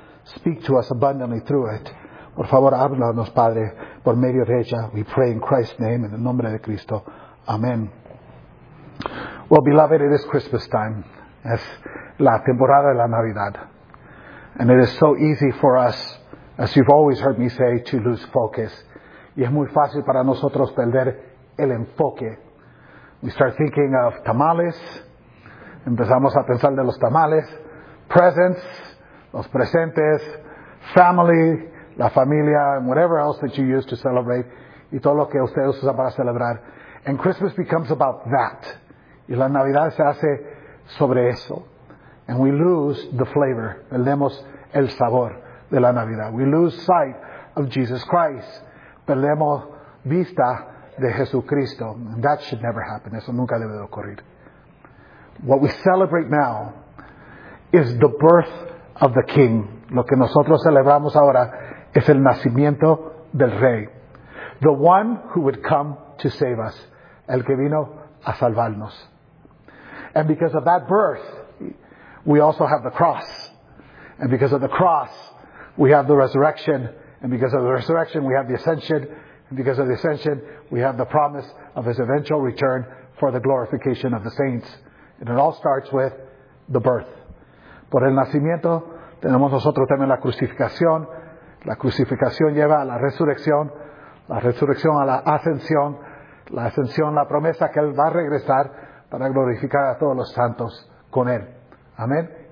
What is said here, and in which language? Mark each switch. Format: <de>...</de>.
<en>Speak to us abundantly through it.</en> <es>Por favor, háblanos, Padre, por medio de ella.</es> <en>We pray in Christ's name,</en> <es>en el nombre de Cristo. Amén.</es> <en>Well, beloved, it is Christmas time.</en> <es>Es la temporada de la Navidad.</es> <en>And it is so easy for us, as you've always heard me say, to lose focus.</en> <es>Y es muy fácil para nosotros perder el enfoque.</es> <en>We start thinking of tamales.</en> <es>Empezamos a pensar de los tamales.</es> <en>Presents,</en> <es>los presentes,</es> <en>family,</en> <es>la familia,</es> <en>and whatever else that you use to celebrate.</en> <es>Y todo lo que ustedes usan para celebrar.</es> <en>And Christmas becomes about that.</en> <es>Y la Navidad se hace sobre eso.</es> <en>And we lose the flavor.</en> <es>Perdemos el sabor de la Navidad.</es> <en>We lose sight of Jesus Christ.</en> <es>Perdemos vista de Jesucristo.</es> <en>And that should never happen.</en> <es>Eso nunca debe de ocurrir.</es> <en>What we celebrate now is the birth of the King.</en> <es>Lo que nosotros celebramos ahora es el nacimiento del Rey.</es> <en>The one who would come to save us.</en> <es>El que vino a salvarnos.</es> <en>And because of that birth, we also have the cross. And because of the cross, we have the resurrection. And because of the resurrection, we have the ascension. And because of the ascension, we have the promise of his eventual return for the glorification of the saints. And it all starts with the birth.</en> <es>Por el nacimiento, tenemos nosotros también la crucificación. La crucificación lleva a la resurrección. La resurrección a la ascensión. La ascensión, la promesa que él va a regresar para glorificar a todos los santos con él. Amén.</es>